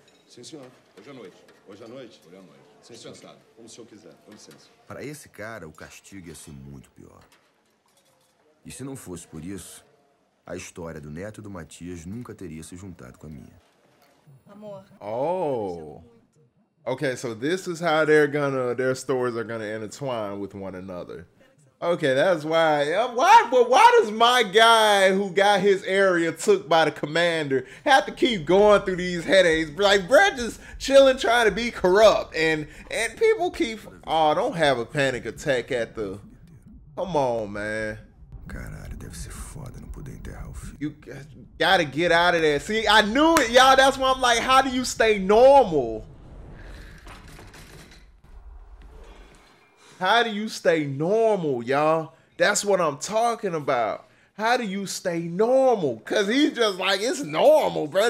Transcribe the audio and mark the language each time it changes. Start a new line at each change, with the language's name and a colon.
Portuguese: Sim, senhor. Hoje à noite. Hoje à noite? Hoje à noite. Sim, senhor. Como o senhor quiser. Com licença. Pra esse cara, o castigo ia ser muito pior. E se não fosse por isso, a história do neto do Matias nunca teria se juntado com a minha. Amor.
English: Oh. Okay, so this is how their stories are gonna intertwine with one another. Okay, that's why. Why does my guy who got his area took by the commander have to keep going through these headaches? Like, bro, just chilling, trying to be corrupt. And people keep, don't have a panic attack at the, come on, man.
Portuguese: Caralho, deve ser foda não poder enterrar o filho.
English: You gotta get out of there. See, I knew it, y'all. That's why I'm like, how do you stay normal? How do you stay normal, y'all? That's what I'm talking about. How do you stay normal? Because he's just like, it's normal, bro.